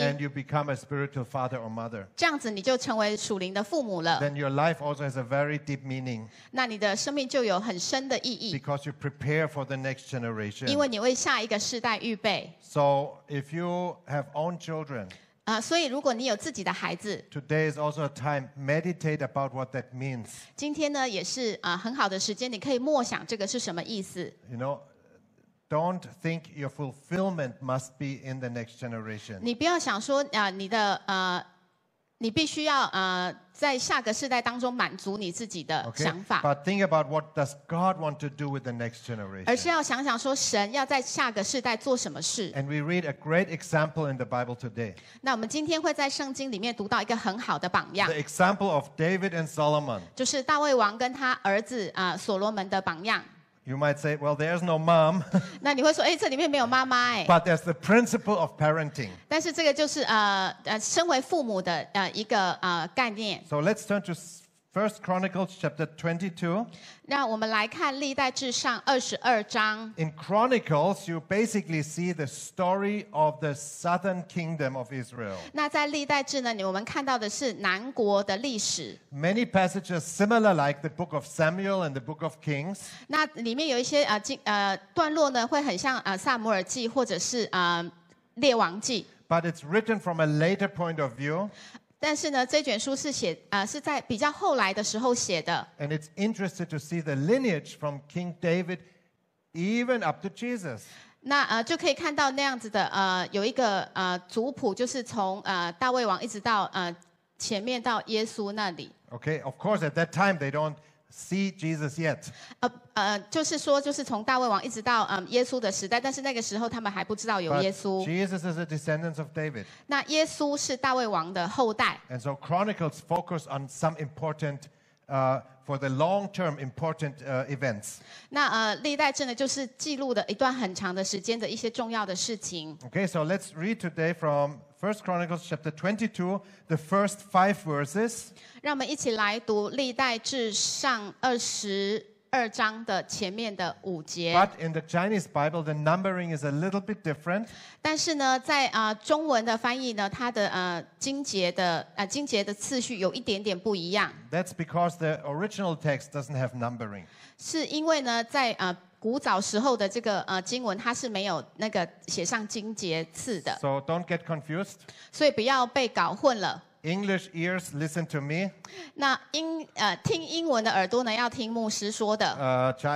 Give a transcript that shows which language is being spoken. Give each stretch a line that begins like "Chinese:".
English: And you become a spiritual father or mother.
Chinese: 这样子你就成为属灵的父母了。
English: Then your life also has a very deep meaning.
Chinese: 那你的生命就有很深的意义。
English: Because you prepare for the next generation.
Chinese: 因为你为下一个世代预备。
English: So if you have own children.
Chinese: 所以如果你有自己的孩子。
English: Today is also a time to meditate about what that means.
Chinese: 今天呢也是很好的时间，你可以默想这个是什么意思。
English: You know,Don't think your fulfillment must be in the next generation.
Chinese: 你不要想说你的你必须要在下个世代当中满足你自己的想法。
English: Okay, but think about what does God want to do with the next generation.
Chinese: 而是要想想说神要在下个世代做什么事。
English: And we read a great example in the Bible today.
Chinese: 那我们今天会在圣经里面读到一个很好的榜样。
English: The example of David and Solomon.
Chinese: 就是大卫王跟他儿子所罗门的榜样。
English: You might say, "Well, there's no mom."
Chinese: 那你会说，哎，这里面没有妈妈哎。
English: But there's the principle of parenting.
Chinese: 但是这个就是身为父母的一个概念。
English: So let's turn to First Chronicles chapter 22.
Chinese: 让我们来看历代志上二十二章。
English: In Chronicles, you basically see the story of the southern kingdom of Israel.
Chinese: 那在历代志呢，我们看到的是南国的历史。
English: Many passages similar, like the book of Samuel and the book of Kings.
Chinese: 那里面有一些段落呢，会很像撒母耳记或者是列王记。
English: But it's written from a later point of view.
Chinese: 但是呢，这卷书是写是在比较后来的时候写的。
English: And it's interesting to see the lineage from King David, even up to Jesus.
Chinese: 那就可以看到那样子的有一个族谱，就是从大卫王一直到前面到耶稣那里。
English: Okay, of course, at that time they don't see Jesus yet.
Chinese: 就是说，就是从大卫王一直到耶稣的时代，但是那个时候他们还不知道有耶稣。
English: But Jesus is a descendant of David.
Chinese: 那耶稣是大卫王的后代。
English: And so Chronicles focus on some important for the long-term important events.
Chinese: 那历代志呢，就是记录的一段很长的时间的一些重要的事情。
English: Okay, so let's read today from 1 Chronicles chapter 22, the first five verses.
Chinese: 让我们一起来读历代志上22章的前面的五节。
English: But in the Chinese Bible, the numbering is a little bit different.
Chinese: 但是呢，在中文的翻译呢，它的经节的次序有一点点不一样。
English: That's because the original text doesn't have numbering.
Chinese: 是因为呢，在古早时候的这个经文，它是没有那个写上经节次的。
English: So don't get confused.
Chinese: 所以不要被搞混了。
English: English ears, listen to me.
Chinese: 那听英文的耳朵呢，要听牧师说的。